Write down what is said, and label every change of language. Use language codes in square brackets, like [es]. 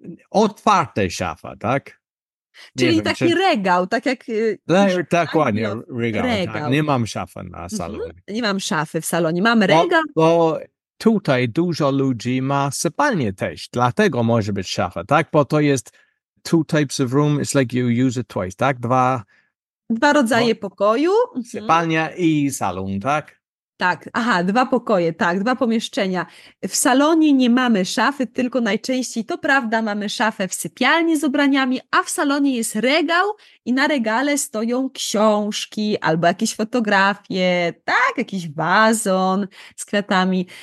[pl] Otwarte szafa, tak? Czyli wiem, taki czy... regał, tak jak... Tak, ładnie, regał. Tak. Nie mam szafy na salonie. Mhm. Nie mam szafy w salonie, mam regał. Bo... tutaj dużo ludzi ma sypalnię też, dlatego może być szafa, tak? Bo to jest [en] two types of room, it's like you use it twice, tak? [pl] Dwa rodzaje pokoju. Sypalnia i salon, tak? Tak, aha, dwa pokoje, tak, dwa pomieszczenia. W salonie nie mamy szafy, tylko najczęściej, to prawda, mamy szafę w sypialni z ubraniami, a w salonie jest regał i na regale stoją książki albo jakieś fotografie, tak, jakiś wazon z kwiatami.